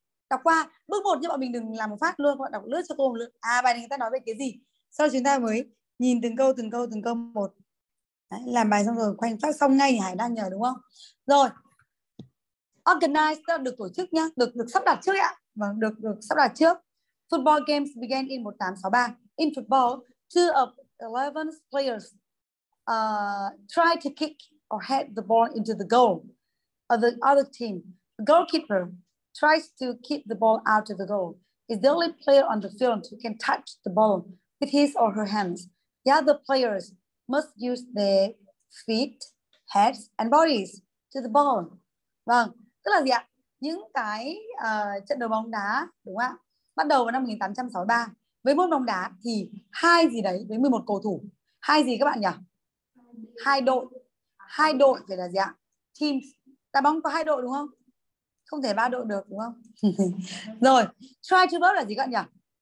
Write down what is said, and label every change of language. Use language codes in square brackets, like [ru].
[vi] Đọc qua bước 1 nhưng bọn mình đừng làm một phát luôn, bọn đọc lướt cho cô một lượt. À, bài này người ta nói về cái gì? sau chúng ta mới nhìn từng câu từng câu từng câu một. Đấy, làm bài xong rồi khoanh phát xong ngay Hải đang nhờ đúng không? Rồi. Organize được tổ chức nhá, được được sắp đặt trước ạ. Vâng, được được sắp đặt trước. [en] Football games began in 1863. In football, two of 11 players try to kick or head the ball into the goal of the other team. The goalkeeper tries to keep the ball out of the goal. Is the only player on the field who can touch the ball with his or her hands. The other players must use their feet, heads and bodies to the ball. [vi] Vâng, tức là gì ạ? Những cái trận đấu bóng đá, đúng không ạ? Bắt đầu vào năm 1863. Với môn bóng đá thì hai gì đấy, với 11 cầu thủ. Hai gì các bạn nhỉ? Hai đội. Hai đội phải là gì ạ? Teams. Đá bóng có hai đội đúng không? Không thể ba đội được đúng không? Rồi, [en] try to vote [vi] là gì các bạn nhỉ?